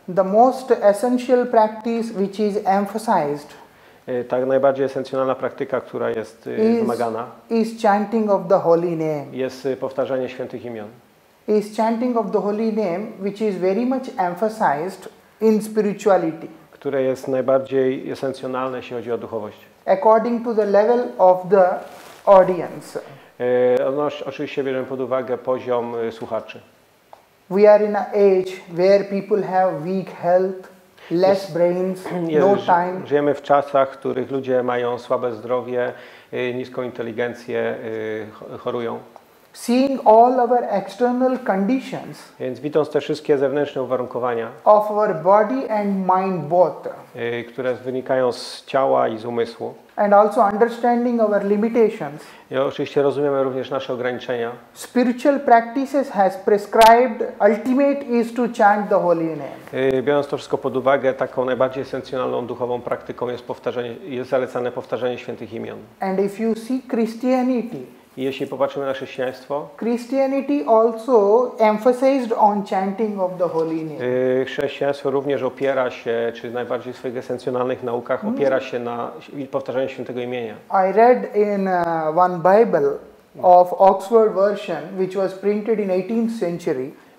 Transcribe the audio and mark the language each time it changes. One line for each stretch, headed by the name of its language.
English: The most essential practice which is emphasized.
Polish: Tak najbardziej esencjonalna praktyka, która jest wymagana.
English: Is chanting of the holy name.
Polish: Jest powtarzanie świętych imion.
English: Is chanting of the holy name which is very much emphasized in spirituality.
Polish: Które jest najbardziej esencjonalne, jeśli chodzi o duchowość.
English: According to the level of the audience.
Polish: Oczywiście bierzemy pod uwagę poziom słuchaczy.
English: We are in an age where people have weak health, less brains, no time.
Polish: Żyjemy w czasach, w których ludzie mają słabe zdrowie, niską inteligencję, chorują.
English: Seeing all our external conditions.
Polish: Więc widząc te wszystkie zewnętrzne uwarunkowania.
English: Of our body and mind both.
Polish: Które wynikają z ciała i z umysłu.
English: And also understanding our limitations.
Polish: I oczywiście rozumiemy również nasze ograniczenia.
English: Spiritual practices has prescribed ultimate is to chant the holy name.
Polish: Biorąc to wszystko pod uwagę, taką najbardziej esencjonalną duchową praktyką jest zalecane powtarzanie świętych imion.
English: And if you see Christianity.
Polish: Jeśli popatrzymy na chrześcijaństwo,
English: Christianity also emphasized on chanting of the holy name.
Polish: Chrześcijaństwo również opiera się, czy najbardziej w swoich esencjonalnych naukach opiera się na powtarzaniu świętego imienia.
English: I read in one Bible of Oxford version, which was printed in 18th century.